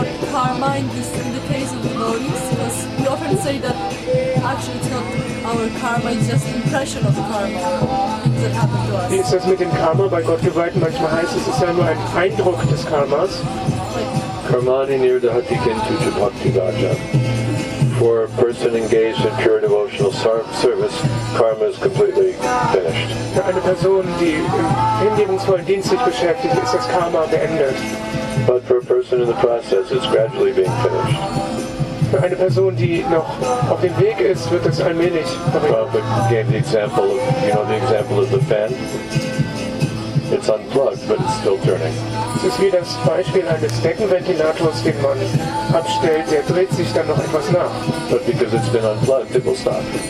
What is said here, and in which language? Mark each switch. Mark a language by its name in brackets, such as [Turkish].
[English] Karma in the case of devotees, because we often say that actually it's not our karma, it's just impression of karma that happened to us. [German] Wie ist das mit dem Karma bei Gottgeweihten? Manchmal heißt es, es sei nur ein Eindruck des Karmas. [Sanskrit] Karmani nirdahati kintu chabhakti gaja. [English] For a person engaged in pure devotional service, karma is completely finished. [German] Für eine Person, die im hingebungsvollen Dienst sich beschäftigt, ist das Karma beendet. [English] But for a person in the process, it's gradually being finished. [German] Für eine Person, die noch auf dem Weg ist, wird es allmählich. [English] Prabhupada gave the example of, you know, the example of the fan. It's unplugged, but it's still turning. [German] Es ist wie das Beispiel eines Deckenventilators, den man abstellt, der dreht sich dann noch etwas nach. [English] But because it's been unplugged, it will stop.